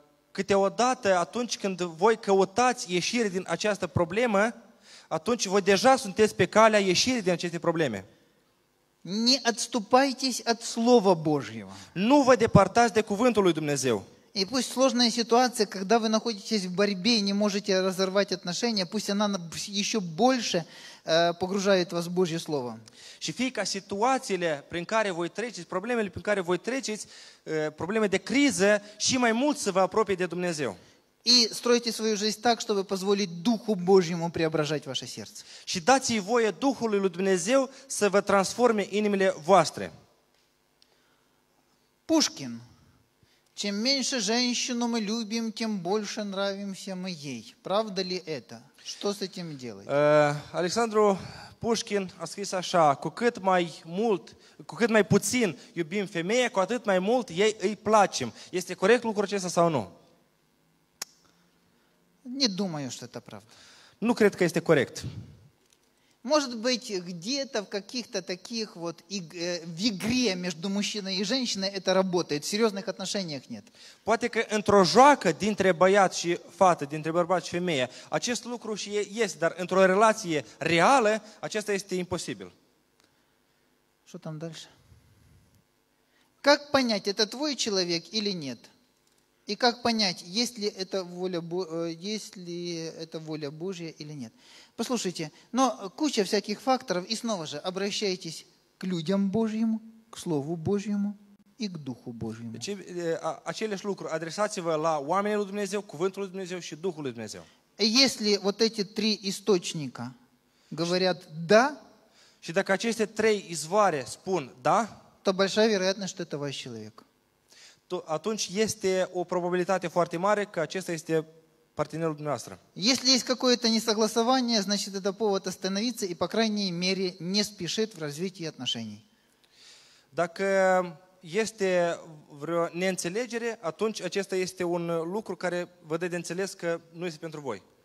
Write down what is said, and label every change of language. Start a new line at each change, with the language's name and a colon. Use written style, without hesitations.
Romanian: Câteodată, atunci când voi căutați ieșire din această problemă, atunci voi deja sunteți pe calea ieșirii din aceste probleme.
Russian: Не отступайтесь от Слова Божьего.
Romanian: Nu vă depărtați de cuvântul lui Dumnezeu.
Russian: И пусть сложная ситуация, когда вы находитесь в борьбе и не можете разорвать отношения, пусть она еще больше погружает вас в Божье Слово.
Romanian: Și fie ca situațiile prin care voi treceți, problemele prin care voi treceți, probleme de criză, și mai mult să vă apropie de Dumnezeu.
Russian: И стройте свою жизнь так, чтобы позволить Духу Божьему преображать ваше сердце.
Romanian: Și dați-i voie Duhului lui Dumnezeu să vă transforme inimile voastre.
Russian: Пушкин. Чем меньше женщину мы любим, тем больше нравимся мы ей. Правда ли это? Что с этим делать?
Romanian: Александру Пушкин a scris așa: cu cât mai mult, cu cât mai puțin iubim femeia, cu atât mai mult ei îi placem. Este corect lucrul acesta sau nu?
Russian: Не думаю, что это правда.
Romanian: Ну, кредка, если коррект.
Russian: Может быть, где-то в каких-то таких вот в игре между мужчиной и женщиной это работает. В серьезных отношениях нет.
Romanian: Poate că într-o joacă dintre băiat și fată, dintre bărbat și femeie, acest lucru și este, dar într-o relație reală, acesta este imposibil.
Russian: Что там дальше? Как понять, это твой человек или нет? И как понять, есть ли это воля Божья или нет? Послушайте, но куча всяких факторов, и снова же обращайтесь к людям Божьим, к Слову Божьему и к Духу Божьему.
Romanian: Același lucru, adresați-vă la oamenii lui Dumnezeu, cuvântul lui Dumnezeu și Duhul lui Dumnezeu.
Russian: Если вот эти три источника говорят «да»,
Romanian: și dacă aceste trei izvoare spun «да»,
Russian: то большая вероятность, что это ваш человек.
Romanian: То, atunci este o probabilitate foarte mare că acesta este партнерul dumneavoastră.
Russian: Если есть какое-то несогласование, значит, это повод остановиться и, по крайней мере, не спешить в развитии отношений.
Romanian: Dacă este vreo neînțelegere, atunci acesta este un lucru care vă dă de înțeles că nu este pentru voi.